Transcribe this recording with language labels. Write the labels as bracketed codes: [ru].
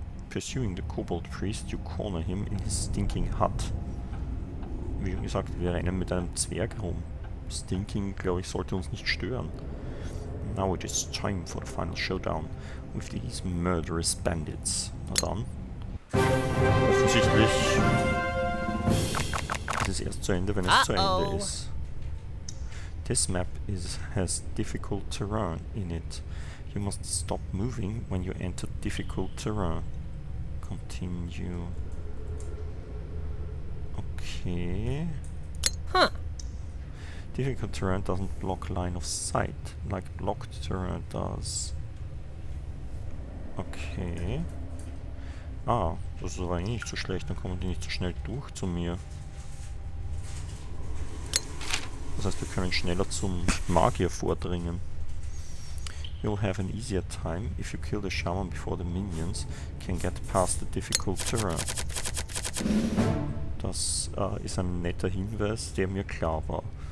[en] Pursuing the Kobold Priest, you corner him in his stinking hut. [de] Wie schon gesagt, wir rennen mit einem Zwerg rum. Stinking, glaube ich, sollte uns nicht stören. [en] Now it is time for the final showdown with these murderous bandits. [de] Na dann. Offensichtlich ist es erst zu Ende, wenn es zu Ende ist. [en] This map has difficult terrain in it. You must stop moving when you enter difficult terrain. Continue. Okay. Huh. Difficult terrain doesn't block line of sight, like blocked terrain does. Okay. [de] Ah, das ist aber nicht so schlecht, dann kommen die nicht so schnell durch zu mir. Das heißt, wir können schneller zum Magier vordringen. [en] You'll have an easier time if you kill the shaman before the minions can get past the difficult terrain. [de] Das ist ein netter Hinweis, der mir klar war.